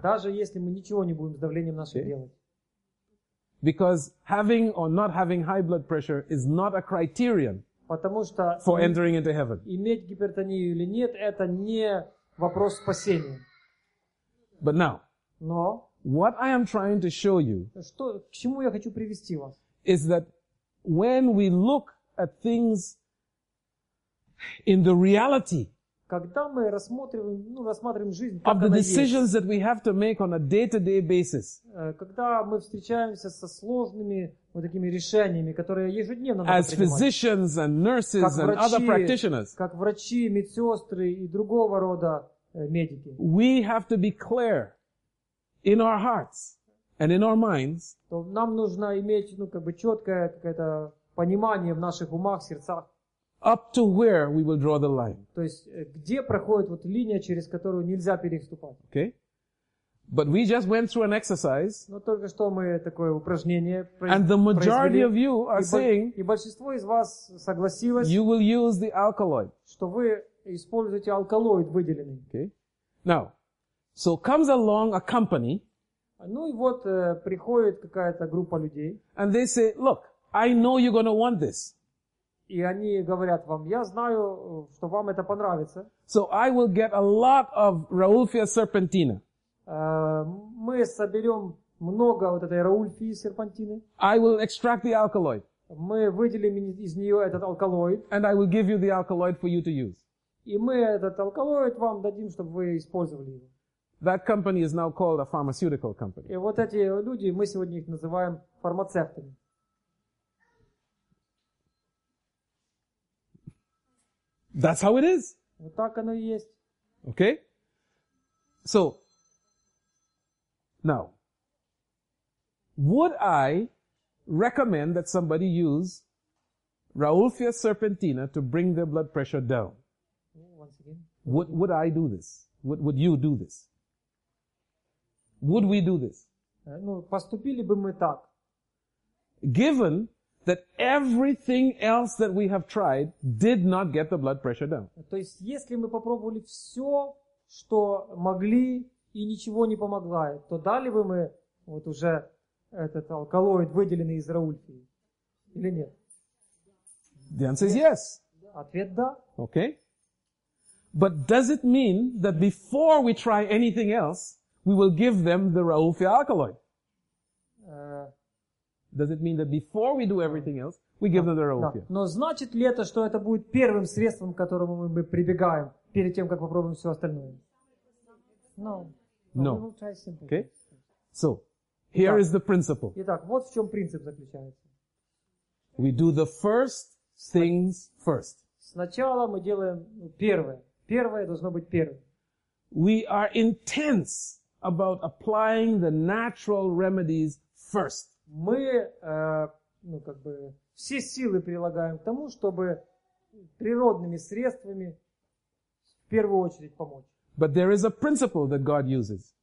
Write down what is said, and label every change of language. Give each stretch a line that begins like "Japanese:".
Russian: Даже если мы ничего не будем с давлением нашим okay. делать.
English: Because having or not having high blood pressure is not a criterion
Russian: Потому что
English: for entering into heaven.
Russian: Иметь гипертонию или нет, это не вопрос спасения.
English: But now,
Russian: Но,
English: what I am trying to show you
Russian: что, к чему я хочу привести вас?
English: Is that when we look at things in the reality
Russian: когда мы рассматриваем, рассматриваем жизнь, как
English: of the
Russian: она
English: decisions
Russian: есть,
English: that we have to make on a day-to-day basis,
Russian: когда мы встречаемся со сложными вот такими решениями, которые ежедневно надо
English: as
Russian: принимать,
English: physicians and nurses
Russian: врачи,
English: and other practitioners,
Russian: как врачи, медсестры и другого рода медики.
English: We have to be clear in our hearts and in our minds.
Russian: То нам нужно иметь, как бы четкое какое-то понимание в наших умах, сердцах.
English: Up to where we will draw the line.
Russian: То есть где проходит вот линия, через которую нельзя переступать.
English: Okay. But we just went through an exercise.
Russian: Но только что мы такое упражнение произвели.
English: And the majority of you are saying.
Russian: И большинство из вас согласилось.
English: You will use the alkaloid.
Russian: Что вы используйте алкалоид выделенный.
English: Okay. Now, so comes along a company.
Russian: Ну и вот приходит какая-то группа людей.
English: And they say, look, I know you're gonna want this.
Russian: И они говорят вам, я знаю, что вам это понравится.
English: So I will get a lot of Raulfia serpentina.
Russian: Мы соберем много вот этой Раульфии серпантины.
English: I will extract the alkaloid.
Russian: Мы выделим из нее этот алкалоид.
English: And I will give you the alkaloid for you to use.
Russian: И мы этот алкалоид вам дадим, чтобы вы использовали его.
English: That company is now called a pharmaceutical company.
Russian: И вот эти люди, мы сегодня их называем фармацевтами.
English: That's how it is.
Russian: Вот так оно и есть.
English: Okay? So, now, would I recommend that somebody use Raulfia serpentina to bring their blood pressure down? Would I do this? Would you do this? Would we do this?
Russian: Поступили бы мы так.
English: Given that everything else that we have tried did not get the blood pressure down.
Russian: То есть, если мы попробовали все, что могли, и ничего не помогло, то дали бы мы вот уже этот алкалоид, выделенный из Раульфии? Или нет?
English: The answer is yes.
Russian: Ответ да.
English: Okay. But does it mean that before we try anything else, we will give them the Raulfia alkaloid? Does it mean that before we do everything else, We give them their opium.
Russian: Да. Но значит ли это, что это будет первым средством, к которому мы прибегаем перед тем, как попробуем все остальное?
English: No. No. Okay. So, here is the principle.
Russian: Итак, вот в чем принцип заключается.
English: We do the first things first.
Russian: Сначала мы делаем первое. Первое должно быть первым.
English: We are intense about applying the natural remedies first.
Russian: Мы, ну как бы, все силы прилагаем к тому, чтобы природными средствами в первую очередь помочь.
English: But there is a principle that God uses.